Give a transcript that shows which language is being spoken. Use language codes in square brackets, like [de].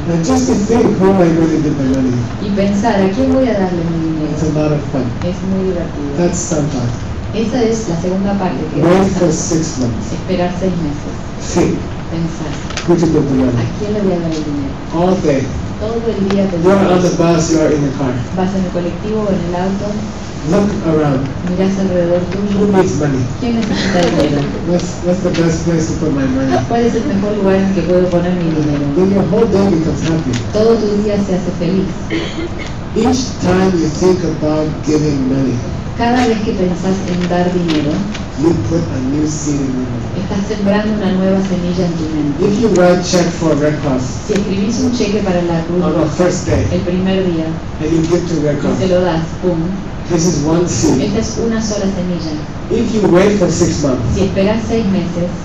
[en] And just to think, who am I going to give my money? [es] Y pensar, ¿a quién voy a darle mi dinero? [en] It's a lot of fun. [es] Es muy divertido. [en] That's some part. [es] Esa es la segunda parte. Que [en] wait for 6 months. [es] Esperar 6 meses. [en] Think. [es] Pensar. [en] Who to give the money? [es] ¿A quién le voy a dar el dinero? [en] All day. [es] Todo el día. [en] You are on the bus, you are in the car. [es] Vas en el colectivo o en el auto. [en] Look around. [es] Miras alrededor tuyo. [en] Who needs money? [es] ¿Quién necesita dinero? [en] What's the best place to put my money? [es] ¿Cuál es el mejor lugar en que puedo poner mi dinero? [en] Then your whole day becomes happy. [es] Todo tu día se hace feliz. [en] Each time you think about giving money, [es] cada vez que pensás en dar dinero, [en] you put a new seed in your mind. [es] Estás sembrando una nueva semilla en tu mente. [en] If you write check for Red Cross, [es] si escribís un cheque para la Cruz, [en] on the first day, [es] el primer día, [en] and you give to Red Cross, [es] y se lo das, pum. [en] This is one seed. [es] Esta es una sola semilla. [en] If you wait for 6 months, [es] si esperas 6 meses,